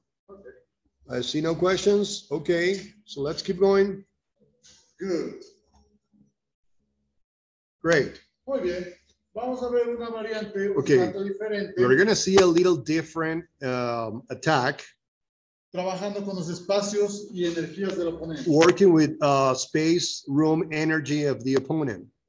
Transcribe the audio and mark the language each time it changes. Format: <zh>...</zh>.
<en>Okay. I see no questions. Okay, so let's keep going. Good. Great.</en> <es>Muy bien. Vamos a ver una variante,</es> <en>okay.</en> <es>Un tanto diferente.</es> <en>We're going to see a little different attack.</en> <es>Trabajando con los espacios y energías del oponente.</es> <en>Working with space, room, energy of the opponent.</en>